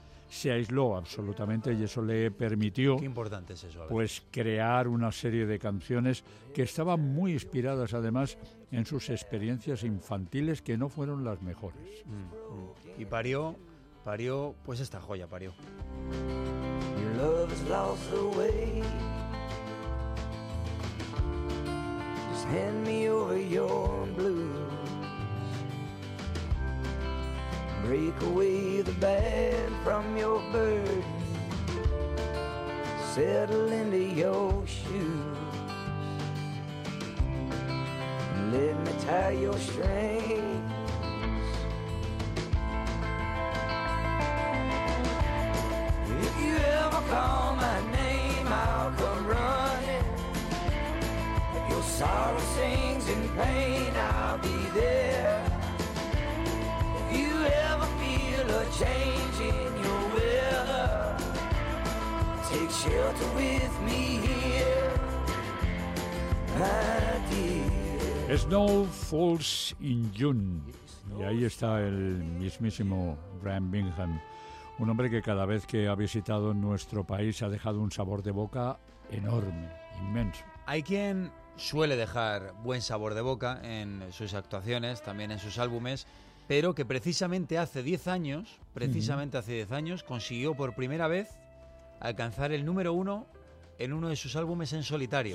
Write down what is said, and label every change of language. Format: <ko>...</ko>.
<es>Se aisló absolutamente y eso le permitió, qué importante es eso, pues crear una serie de canciones que estaban muy inspiradas además en sus experiencias infantiles, que no fueron las mejores. Y parió pues esta joya, parió.</es> <en>Your love has lost the way. hand me over your blues. Break away the band from your burden, settle into your shoes. Let me tie your strings. If you ever call my name, I'll come running. If your sorrow sings in pain, I'll be there. If you ever feel a change in your weather, take shelter with me here, my dear. Snow falls in June.</en> <es>Y ahí está el mismísimo Brian Bingham. Un hombre que cada vez que ha visitado nuestro país ha dejado un sabor de boca enorme, inmenso. Hay quien suele dejar buen sabor de boca en sus actuaciones, también en sus álbumes, pero que precisamente hace 10 años, hace 10 años, consiguió por primera vez alcanzar el número uno en uno de sus álbumes en solitario.</es>